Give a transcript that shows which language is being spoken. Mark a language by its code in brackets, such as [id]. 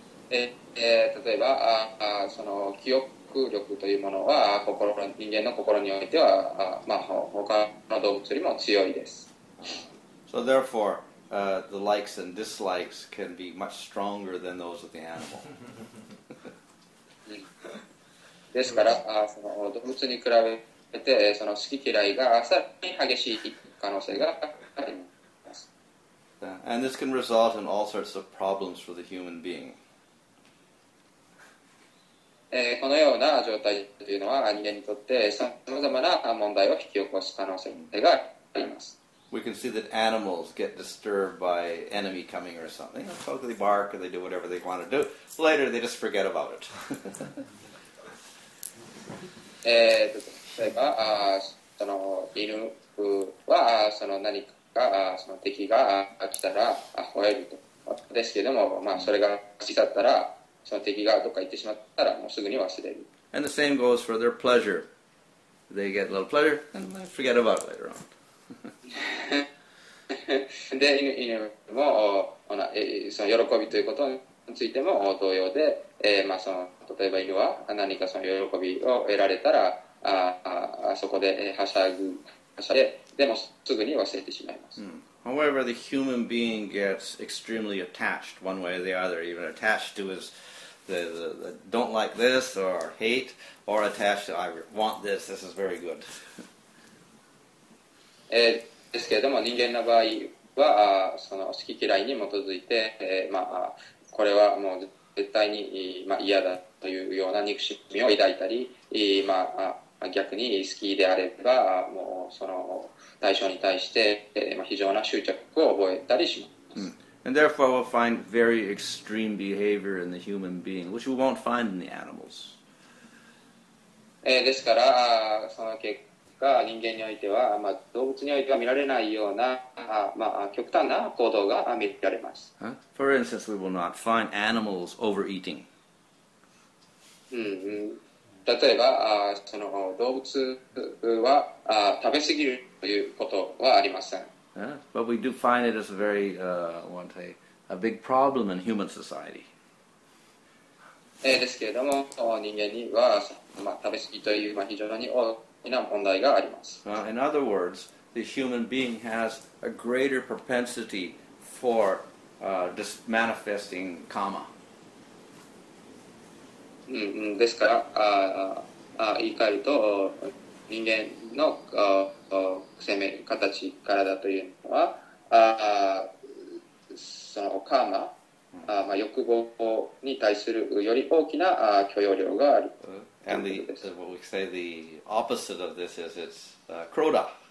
[ja] 例えば、その記憶力というものは人間の心においては、まあ、他の動物よりも強いです。 [en] So therefore, the likes and dislikes can be much stronger than those of the animal. [ja] ですから、その動物に比べて、その好き嫌いがさらに激しい可能性があります。 [en] And this can result in all sorts of problems for the human being. [ja] このような状態というのは、人間にとってさまざまな問題を引き起こす可能性があります。 [en] We can see that animals get disturbed by enemy coming or something. So they bark and they do whatever they want to do. Later, they just forget about it. [ja] 例えば、その犬はその何かその敵が来たら吠えると。ですけども、まあ、それが過ぎ去ったら、その敵がどっか行ってしまったら、もうすぐに忘れる。 [en] And the same goes for their pleasure. They get a little pleasure and they forget about it later on. [ja] で犬もその喜びということについても同様で、まあ、その例えば犬は何かその喜びを得られたらそこではしゃぐはしゃででもすぐに忘れてしまいます、 [en] However, the human being gets extremely attached one way or the other even attached to his the don't like this or hate or attached to I want this, this is very good [ja] ですけれども人間の場合はその好き嫌いに基づいて、まあ、これはもう絶対に、まあ、嫌だというような憎しみを抱いたり、まあ、逆に好きであればもうその対象に対して、まあ、非常な執着を覚えたりします、 [en] And therefore we'll find very extreme behavior in the human being which we won't find in the animals [ja] ですからその結果人間においては、まあ、動物においては見られないような、まあ、極端な行動が見られます。 [en] For instance, we will not find animals overeating. [ja] 例えば、その動物は食べ過ぎるということはありません。 [en] But we do find it as a very, I want to say, a big problem in human society. [ja] ですけれども、人間には、まあ、食べ過ぎという、まあ、非常に大きな問題があります。 [en] In other words, the human being has a greater propensity for manifesting karma. [ja] ですから、言い換えると、人間の生命形からだというのは、そのカーマ、まあ、欲望に対するより大きな許容量がある。 [en] And the, what we say the opposite of this is it's krodha.